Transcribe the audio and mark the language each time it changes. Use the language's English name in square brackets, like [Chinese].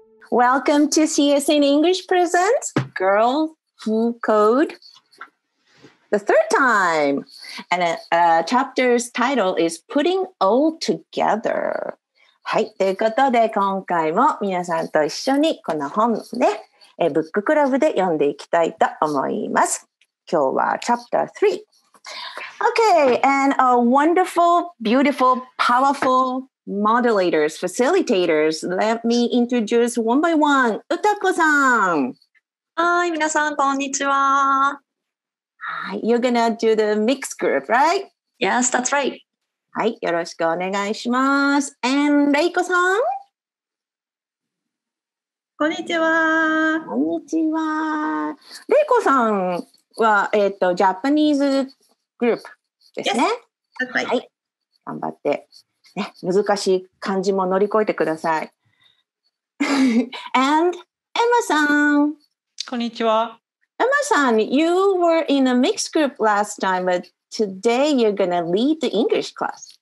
[English] Welcome to CSN English Presents Girl Who Code the third time. And a chapter's title is Putting All Together. [Japanese] はい、ということで今回も皆さんと一緒にこの本をね、ブッククラブで読んでいきたいと思います。今日はチャプター3。 [English] Okay, and a wonderful, beautiful, powerful modulators, facilitators. Let me introduce one by one. Utako-san. [Japanese] Hi, 皆さんこんにちは。 [English] Hi, you're gonna do the mix group, right? Yes, that's right. [Japanese] はい、よろしくお願いします。 [English] And Reiko-san. [Japanese] こんにちは。こんにちは。Reiko-san は、Japaneseグループですね。 [English] Yes. [Japanese] はい、頑張って、ね、難しい漢字も乗り越えてください。 [English] And Emma さん、 [Japanese] こんにちは。 [English] Emma さん、you were in a mixed group last time, but today you're gonna lead the English class.